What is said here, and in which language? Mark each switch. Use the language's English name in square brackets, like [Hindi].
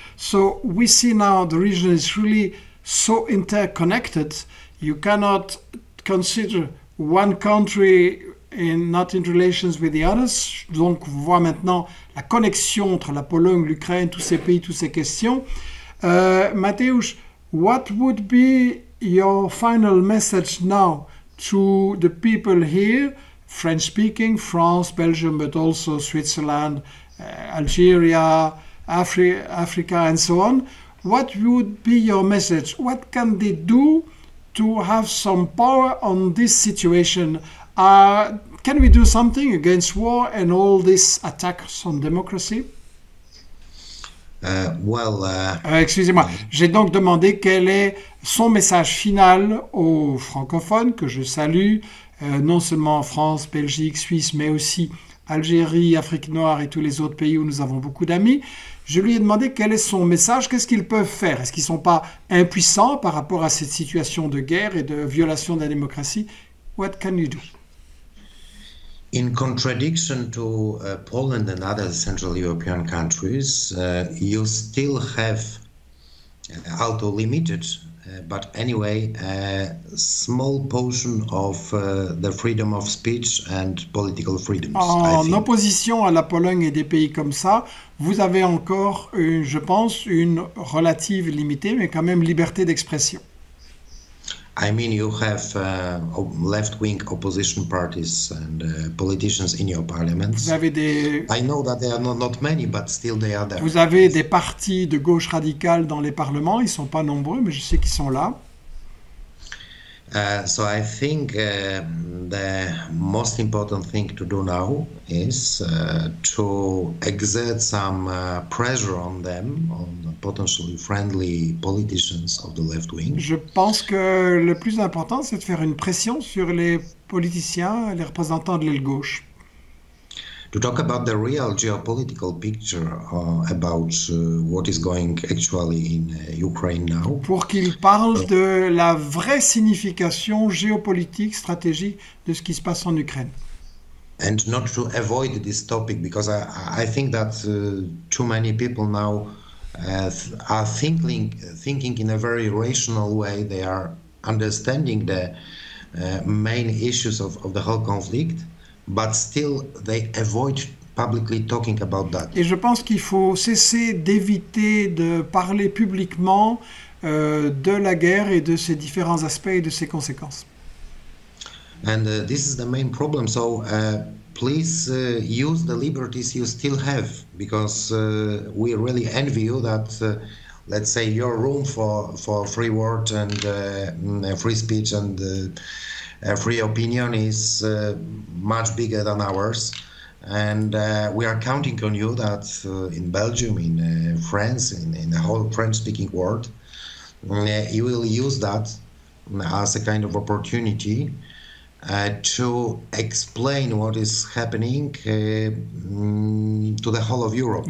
[English] So, we see now the region is really so interconnected. You cannot consider one country in not in relations with the others. [French] Donc, on voit maintenant la connexion entre la Pologne, l'Ukraine, tous ces pays, toutes ces questions. [English] Mateusz, what would be your final message now to the people here, French speaking, France, Belgium, but also Switzerland, Algeria, Africa, and so on? What would be your message? What can they do to have some power on this situation? Can we do something against war and all these attacks on democracy? [French] Excusez-moi. J'ai donc demandé quel est son message final aux francophones que je salue, non seulement en France, Belgique, Suisse, mais aussi Algérie, Afrique noire et tous les autres pays où nous avons beaucoup d'amis. Je lui ai demandé quel est son message, qu'est-ce qu'ils peuvent faire? Est-ce qu'ils ne sont pas impuissants par rapport à cette situation de guerre et de violation de la démocratie? [English] What can you do? In contradiction to Poland and other Central European countries, you still have, although limited But anyway, a small portion of the freedom of speech and political freedoms. [French] En opposition à la Pologne et des pays comme ça, vous avez encore, je pense, une relative limitée, mais quand même liberté d'expression. [English] I mean, you have left-wing opposition parties and politicians in your parliaments. [French] Vous avez des... [English] I know that they are not many, but still they are there. [French] Vous avez des partis de gauche radicale dans les parlements. Ils sont pas nombreux, mais je sais qu'ils sont là. [English] So I think the most important thing to do now is to exert some pressure on them, on the potentially friendly politicians of the left wing. [French] Je pense que le plus important, c'est de faire une pression sur les politiciens, les représentants de l'aile gauche. [English] To talk about the real geopolitical picture about what is going actually in Ukraine now. [French] Pour qu'il parle de la vraie signification géopolitique, stratégique de ce qui se passe en Ukraine. [English] And not to avoid this topic, because I think that too many people now are thinking in a very rational way. They are understanding the main issues of the whole conflict. But still, they avoid publicly talking about that. [French] Et je pense qu'il faut cesser d'éviter de parler publiquement de la guerre et de ses différents aspects et de ses conséquences. [English] And this is the main problem. So please use the liberties you still have, because we really envy you that, let's say, your room for free word and free speech and. Free opinion is much bigger than ours, and we are counting on you that in Belgium, in France, in the whole French-speaking world, you will use that as a kind of opportunity to explain what is happening to the whole of Europe.